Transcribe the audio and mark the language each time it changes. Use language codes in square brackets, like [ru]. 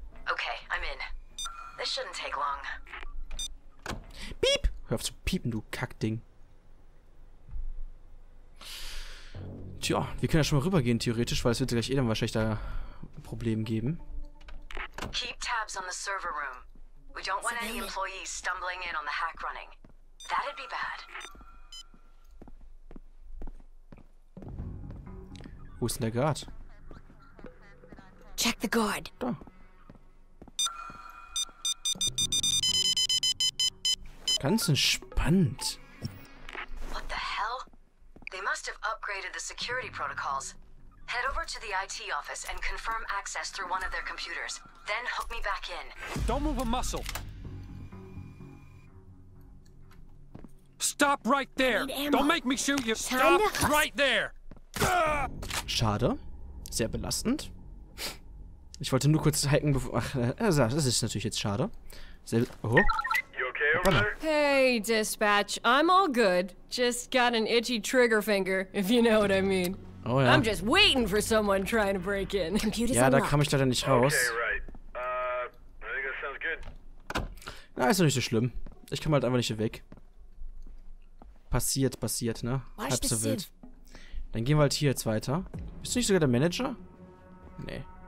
[en] Okay, I'm in. This shouldn't take long. [de] Piep! Hör auf zu piepen, du Kackding. Tja, wir können ja schon mal rübergehen, theoretisch, weil es wird gleich eh dann wahrscheinlich da ein Problem geben. [en] Keep tabs on the server room. We don't want any employees stumbling in on the hack running. That'd be bad. [de] Wo ist denn der Guard? [en] Check the guard. [de] Da. Ganz entspannt. [en] What the hell? They must have upgraded the security protocols. Head over to the IT office and confirm access through one of their computers. Then hook me back in. Don't move a muscle. Stop right there. Don't make me shoot you. Stop right there. [de] Schade. Sehr belastend. Ich wollte nur kurz hacken, bevor... Ach, das ist natürlich jetzt schade. Sehr... Oh. [en] You okay over there? Hey, Dispatch. I'm all good. Just got an itchy trigger finger, if you know what I mean. [de] Oh, ja. [en] I'm just waiting for someone trying to break in. [de] Computer's ja, da kam ich leider nicht raus. [en] Okay, right. I think that sounds good. [de] Na, ist doch nicht so schlimm. Ich komme halt einfach nicht hier weg. Passiert, passiert, ne? [en] Watch [de] halb so wild. Dann gehen wir halt hier jetzt weiter. Bist du nicht sogar der Manager? Nee.